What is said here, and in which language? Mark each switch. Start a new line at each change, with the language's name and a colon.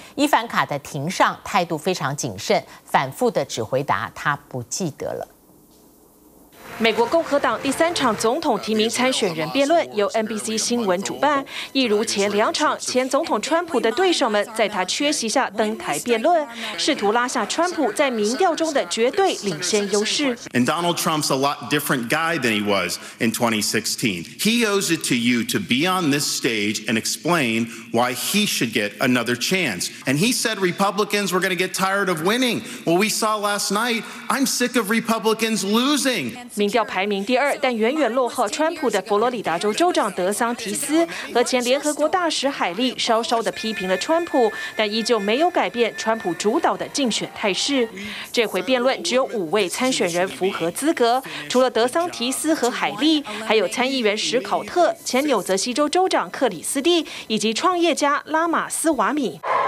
Chinese: 伊凡卡的庭上态度非常谨慎，反复的只回答他不记得了。美国共和党第三场总统提名参选人辩论由 NBC 新闻主办，一如前两场，前总统川普的对手们在他缺席下登台辩论，试图拉下川普在民调中的绝对领先优势。
English: And Donald Trump's a lot different guy than he was in 2016. He owes it to you to be on this stage and explain why he should get another chance. And he said Republicans were going to get tired of winning. Well, we saw last night, I'm sick of Republicans losing.
Chinese: 民调排名第二，但远远落后川普的佛罗里达州州长德桑提斯和前联合国大使海利稍稍地批评了川普，但依旧没有改变川普主导的竞选态势。这回辩论只有五位参选人符合资格，除了德桑提斯和海利，还有参议员史考特、前纽泽西州州长克里斯蒂以及创业家拉马斯瓦米。